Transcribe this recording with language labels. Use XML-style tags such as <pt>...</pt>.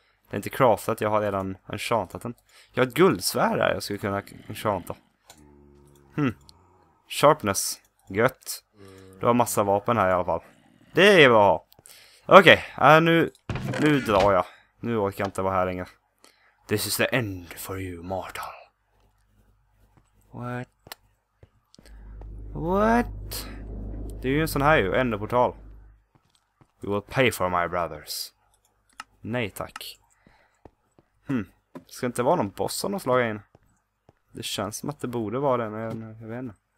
<sv>Det är inte craftat, jag har redan enchantat den. Jag har ett guldsvärd där jag skulle kunna enchanta. Sharpness. Gött. Du har massa vapen här i alla fall. Det är bra. Okej, nu drar jag. Nu orkar jag inte vara här längre.</sv> <en>This is the end for you, mortal. What?</en> <sv>Det är ju en sån här ju, enderportal.</sv> <en>You will pay for my brothers.</en> <sv>Nej, tack. Ska inte vara någon boss som har slagit in? Det känns som att det borde vara det, men jag vet inte.</sv>